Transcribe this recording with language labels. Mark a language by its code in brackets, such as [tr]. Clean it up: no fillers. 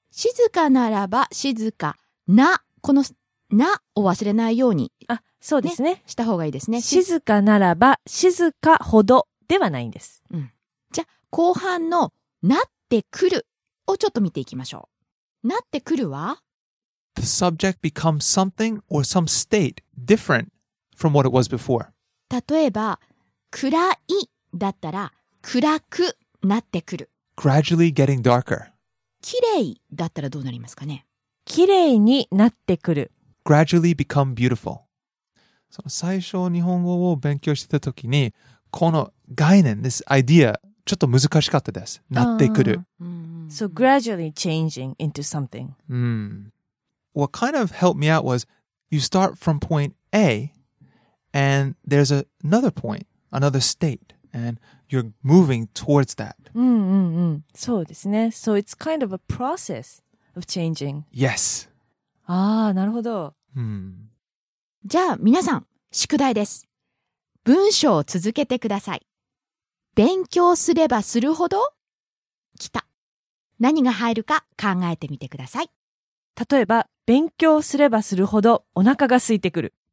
[ja] 静かならば静かな、このなを忘れないように、あ、そうですね、ね、した方がいいですね。静かならば静かほどではないんです。うん。じゃあ後半のなってくるをちょっと見ていきましょう。なってくるは [en] The subject becomes something or some state different from what it was before. [ja] 例えば、暗いだったら暗くなってくる。 [en] Gradually getting darker. [ja] 綺麗だったらどうなりますかね。綺麗になってくる。 [en] Gradually become beautiful. [ja] その最初日本語を勉強してた時に、この概念、 [en] this idea、 [ja] ちょっと難しかったです。なってくる。 [en] So gradually changing into something. What kind of helped me out was you start from point A and there's another point, another state, and you're moving towards that. [ja] そうですね。 [en] So it's kind of a process of changing. Yes. [ja] ああ、なるほど。じゃあ皆さん、宿題です。文章を続けてください。勉強すればするほど、来た。何が入るか考えてみてください。例えば、勉強すればするほどお腹が空いてくる。